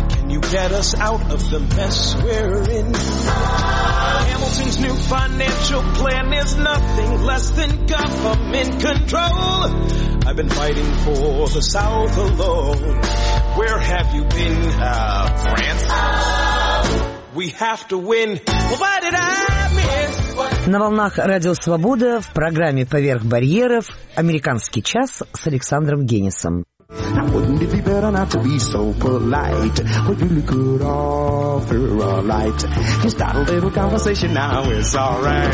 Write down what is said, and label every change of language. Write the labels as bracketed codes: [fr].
[en] You get us out of the mess we're in. Hamilton's new financial plan is nothing less than government control. I've been fighting for the South alone. Where have you been, France? We have to win. Well, what did I miss? [ru] На волнах Радио Свобода в программе «Поверх барьеров» «Американский час» с Александром Генисом. [en] Now wouldn't it be better not to be so polite? Would you look good offer a light? Just start a little conversation now, it's all right.